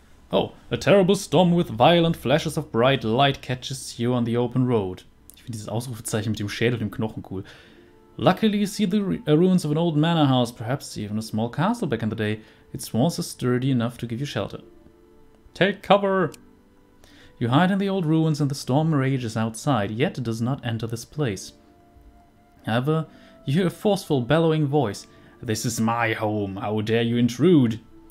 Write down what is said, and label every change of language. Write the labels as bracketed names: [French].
[English] Oh, a terrible storm with violent flashes of bright light catches you on the open road. [German] Ich finde dieses Ausrufezeichen mit dem Schädel und dem Knochen cool. [English] Luckily you see the ruins of an old manor house, perhaps even a small castle back in the day. Its walls are sturdy enough to give you shelter. Take cover! You hide in the old ruins and the storm rages outside, yet it does not enter this place. However, you hear a forceful bellowing voice. This is my home, how dare you intrude?